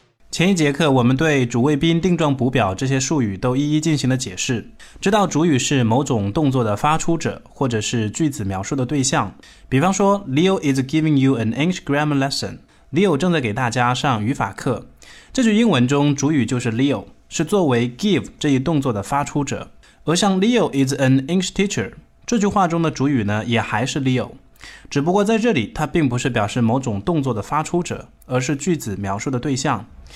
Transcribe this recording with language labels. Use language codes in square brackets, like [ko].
[zh] 前一节课我们对主谓宾、定状补表这些术语都一一进行了解释，知道主语是某种动作的发出者，或者是句子描述的对象。 [en] 比方说 Leo is giving you an English grammar lesson， Leo [zh] 正在给大家上语法课。这句英文中主语就是 Leo， 是作为 give 这一动作的发出者。而像 [en] Leo is an English teacher， [zh] 这句话中的主语呢也还是 Leo，只不过在这里它并不是表示某种动作的发出者，而是句子描述的对象。